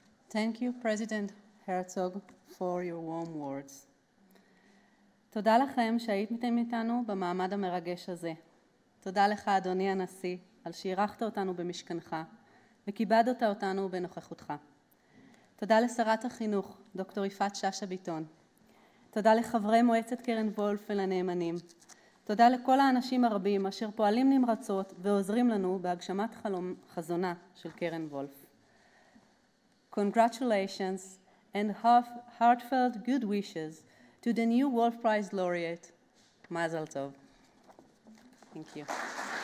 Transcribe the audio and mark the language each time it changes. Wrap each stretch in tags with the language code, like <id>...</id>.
<en>Thank you, President Herzog, for your warm words.</en> <he>תודה לכם שהייתם איתנו במעמד המרגש הזה. תודה לך, אדוני הנשיא, על שאירחת אותנו במשכנך וכיבדת אותנו בנוכחותך. תודה לשרת החינוך, דוקטור יפעת שאשא-ביטון. תודה לחברי מועצת קרן וולף ולנאמנים. תודה לכל האנשים הרבים אשר פועלים נמרצות ועוזרים לנו בהגשמת חלום חזונה של קרן וולף.</he> <en>Congratulations and heartfelt good wishes to the new Wolf Prize laureate, Mazel Tov. Thank you.</en>